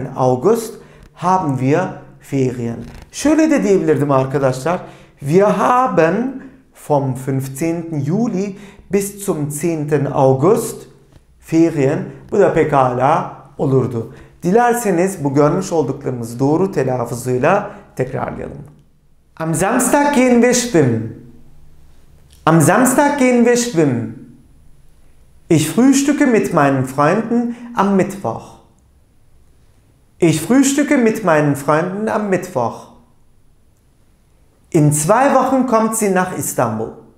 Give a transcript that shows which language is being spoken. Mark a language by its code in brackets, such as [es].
[de] August haben wir Ferien. [tr] Şöyle de diyebilirdim arkadaşlar. [de] Wir haben vom 15. Juli bis zum 10. August Ferien. [tr] Bu da pekala olurdu. Dilerseniz bu görmüş olduklarımızı doğru telaffuzuyla tekrarlayalım. [de] Am Samstag gehen wir schwimmen. Am Samstag gehen wir schwimmen. Ich frühstücke mit meinen Freunden am Mittwoch. Ich frühstücke mit meinen Freunden am Mittwoch. In 2 Wochen kommt sie nach Istanbul.